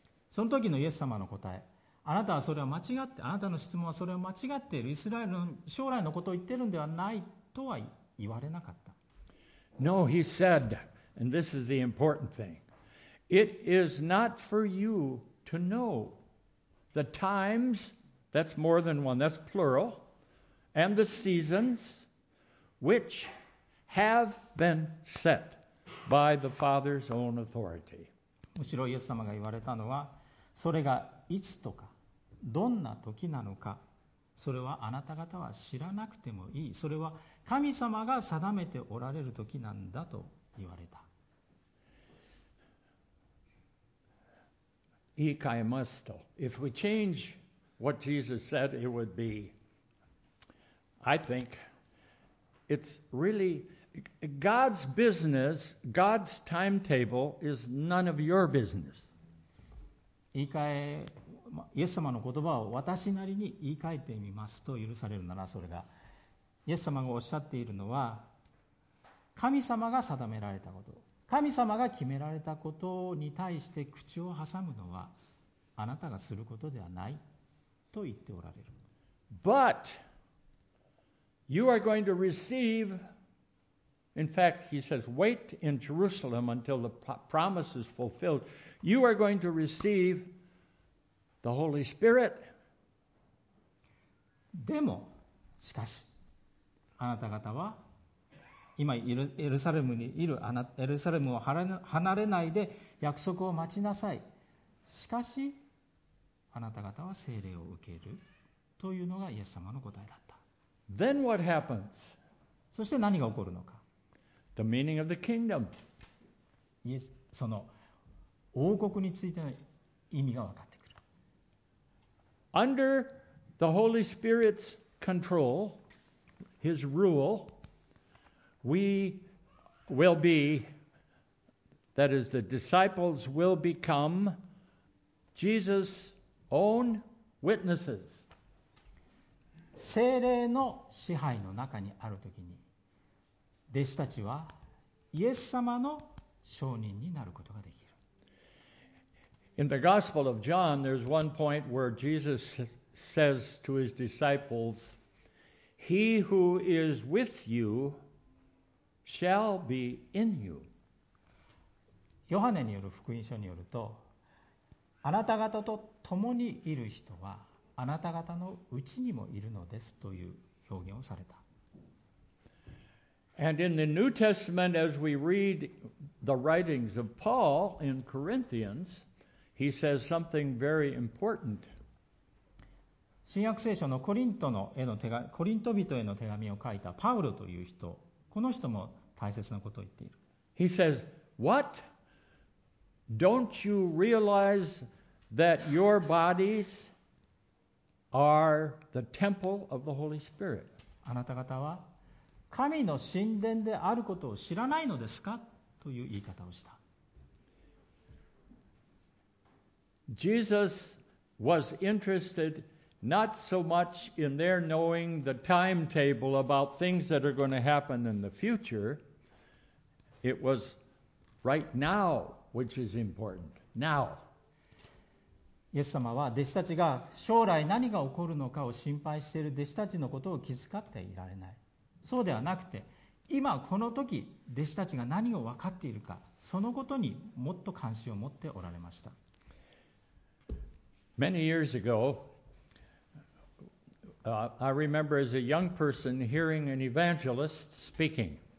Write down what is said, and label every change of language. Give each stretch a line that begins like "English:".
Japanese: その時のイエス様の答え、あなたはそれを間違って、あなたの質問はそれを間違っている、イスラエルの将来のことを言っているんではないとは言われなかった。
English: No, he said, and this is the important thing, it is not for you to know the times, that's more than one, that's plural, and the seasons which have been set by the Father's own authority.
Japanese: むしろイエス様が言われたのは、それがいつとか、どんな時なのか、それはあなた方は知らなくてもいい。それは神様が定めておられる時なんだと言われた。言い換えますと、
English: If we change what Jesus said, it would be, I think, it's really God's business, God's timetable is none of your business.
Japanese: 言い換え、イエス様の言葉を私なりに言い換えてみますと許されるなら、それがイエス様がおっしゃっているのは、神様が定められたこと、神様が決められたことに対して口を挟むのはあなたがすることではないと言っておられる。
English: But you are going to receive, in fact he says, wait in Jerusalem until the promise is fulfilled. You are going to receive The Holy Spirit.
Japanese: でも、しかし、あなた方は今エルサレムにいる、エルサレムを離れないで約束を待ちなさい。しかし、あなた方は聖霊を受けるというのがイエス様の答えだった。
English: Then what happens?
Japanese: そして何が起こるのか。
English: The meaning of the kingdom.
Japanese: イエス、その王国についての意味が分かった。
English: Under the Holy Spirit's control, His rule, we will be, that is, the disciples will become Jesus' own witnesses.
Japanese: 聖霊の支配の中にあるときに、弟子たちはイエス様の証人になることができる。
English: In the Gospel of John, there's one point where Jesus says to his disciples, He who is with you shall be in you.
Japanese: ヨハネによる福音書によると、あなた方と共にいる人はあなた方のうちにもいるのですという表現をされた。
English: And in the New Testament, as we read the writings of Paul in Corinthians, He says something very important.
Japanese: 新約聖書のコリントのへの手紙、コリント人への手紙を書いたパウロという人、この人も大切なことを言っている。
English: He says, "What? Don't you realize that your bodies are the temple of the Holy Spirit?"
Japanese: あなた方は神の神殿であることを知らないのですか? という言い方をした。
English: Jesus was interested not so much in their knowing the timetable about things that are going to happen in the future. It was right now which is important. Now.
Japanese: イエス様は弟子たちが将来何が起こるのかを心配している弟子たちのことを気遣っていられない。そうではなくて、今この時弟子たちが何を分かっているか、そのことにもっと関心を持っておられました。
English: Many years ago, I remember as a young person hearing an evangelist speaking.